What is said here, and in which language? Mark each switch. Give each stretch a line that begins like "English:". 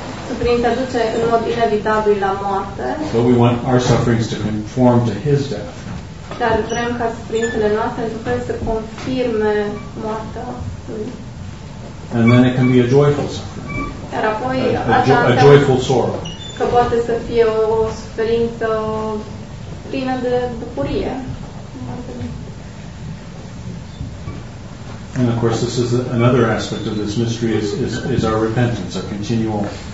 Romanian: Suferința duce în mod inevitabil la moarte.
English: But we want our sufferings to conform to His death.
Romanian: Dar vrem ca suferințele noastre să confirme moartea.
English: And then it can be a joyful suffering.
Romanian: Dar apoi
English: a joyful sorrow.
Romanian: Că poate să fie o suferință plină de bucurie.
English: And of course, this is another aspect of this mystery is our repentance, our continual.